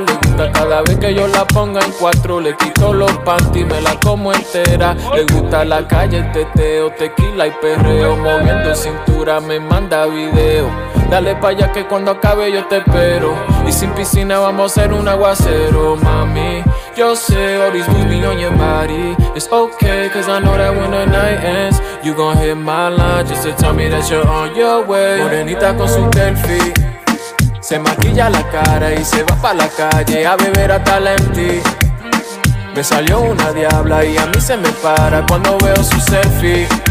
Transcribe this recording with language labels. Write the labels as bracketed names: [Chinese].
[Spanish] Le gusta cada vez que yo la ponga en cuatro. Le quito los panties, me la como entera. Le gusta la calle, el teteo, tequila y perreo. Moviendo cintura, me manda video. Dale pa' allá que cuando acabe yo te espero. Y sin piscina vamos a ser un aguacero, mami. [English] Yo sé, all these booty on your body. It's okay, cause I know that when the night ends, you gon' hit my line just to tell me that you're on your way. [Spanish] Morenita con su selfie, se maquilla la cara y se va pa' la calle a beber hasta el empty. Me salió una diabla y a mí se me para cuando veo su selfie.